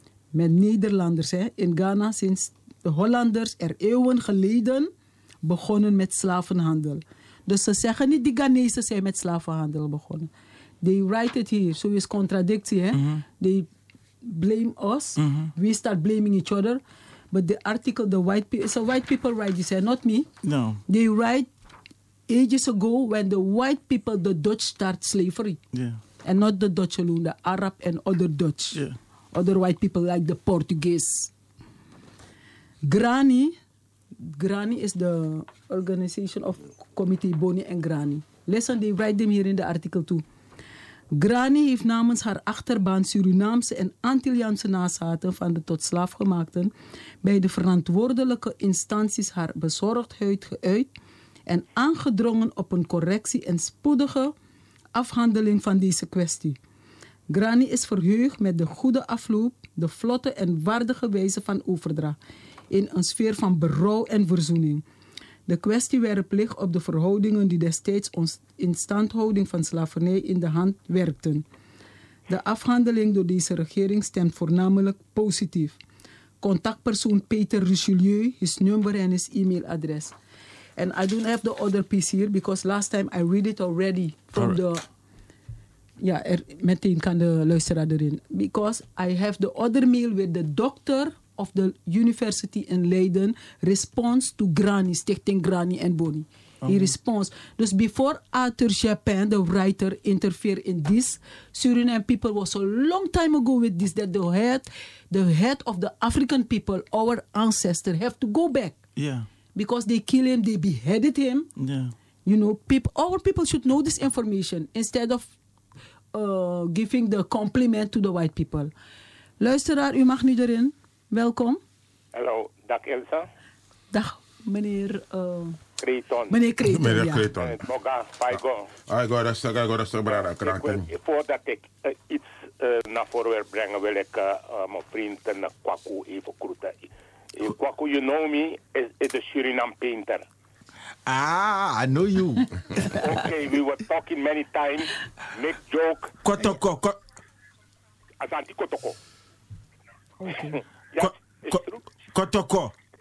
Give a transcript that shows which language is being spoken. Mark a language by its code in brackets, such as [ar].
[nl] Met Nederlanders, hè? In Ghana sinds de Hollanders er eeuwen geleden begonnen met slavenhandel. Dus ze zeggen niet die Ghanese zijn met slavenhandel begonnen. [en] They write it here. [nl] Zo is contradictie, hè? Mm-hmm. [en] They blame us. Mm-hmm. We start blaming each other. But the article, the white people, so white people write this, not me. No. They write ages ago when the white people, the Dutch, start slavery. Yeah. And not the Dutch alone, the Arab and other Dutch. Yeah. Other white people like the Portuguese. Granny, Granny is the organization of Committee Boni and Granny. Listen, they write them here in the article too. [nl] Granny heeft namens haar achterbaan Surinaamse en Antilliaanse nazaten van de tot slaafgemaakten bij de verantwoordelijke instanties haar bezorgdheid geuit en aangedrongen op een correctie en spoedige afhandeling van deze kwestie. Granny is verheugd met de goede afloop, de vlotte en waardige wijze van overdracht in een sfeer van berouw en verzoening. De kwestie werpt licht op de verhoudingen die destijds ons instandhouding van slavernij in de hand werkten. De afhandeling door deze regering stemt voornamelijk positief. Contactpersoon Peter Richelieu, [en] his number [nl] en his e-mailadres. [en] And I don't have the other piece here, because last time I read it already from the... [nl] Ja, er, meteen kan de luisteraar erin. [en] Because I have the other mail with the doctor of the university in Leiden response to Granny, Stichting Granny and Boni. He response. Dus before Arthur Chapin, the writer, interfere in this, Suriname people was a long time ago with this, that the head of the African people, our ancestor, have to go back. Yeah. Because they kill him, they beheaded him. Yeah. You know, our people should know this information instead of giving the compliment to the white people. [nl] Luisteraar, u mag nu erin. Welkom. Hallo, dag Ilse. Dag meneer... Creton. Meneer Creton, ja. Meneer Creton. Boga, Spijgo. Ik voordat ik iets naar voren wil brengen, wil ik mijn vriend Kwaku even groeten. [en] Kwaku, you know me, is a Suriname painter. Ah, I know you. Okay, we were talking many times, make joke. Kotoko. Asanti Kotoko. Okay. Yes, Kotoko.